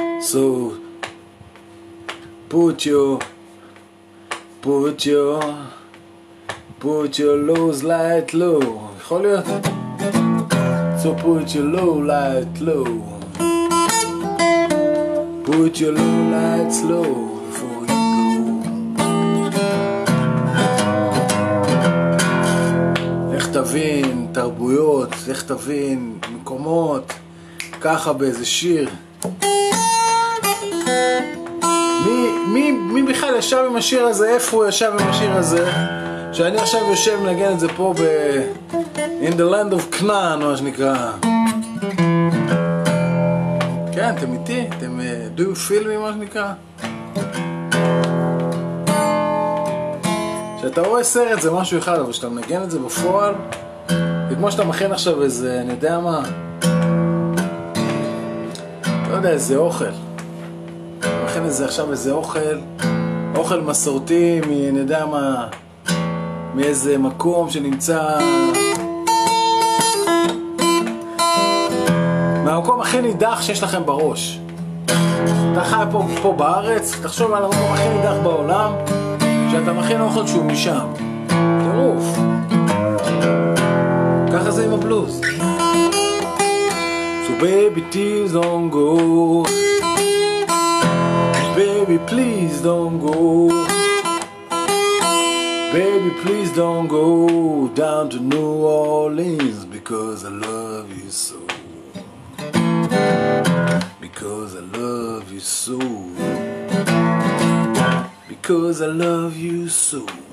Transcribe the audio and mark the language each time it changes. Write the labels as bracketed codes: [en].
[en] So put your lows light low. [he] יכול להיות? [en] So put your low light low, Put your low light slow before you go. [he] איך תבין תרבויות, איך תבין מקומות, ככה באיזה שיר. מי בכלל ישב עם השיר הזה? איפה הוא ישב עם השיר הזה? שאני עכשיו יושב מנגן את זה פה ב... [en] In the land of Canaan, [he] מה שנקרא. כן, אתם איתי? אתם [en] do you feel me, [he] מה שנקרא? כשאתה רואה סרט זה משהו אחד, אבל כשאתה מנגן את זה בפועל, זה כמו שאתה מכין עכשיו איזה, אני יודע מה, לא יודע, איזה אוכל. אתה מכין את זה עכשיו איזה אוכל, אוכל מסורתי, אני יודע מה, מאיזה מקום שנמצא... המקום הכי נידח שיש לכם בראש. אתה חי פה בארץ, תחשוב על המקום הכי נידח בעולם שאתה מכין אוכל שהוא משם. טירוף. ככה זה עם בלוז. [en] So baby please don't go, baby please don't go, baby please don't go down to New Orleans, because I love you so, because I love you so, because I love you so.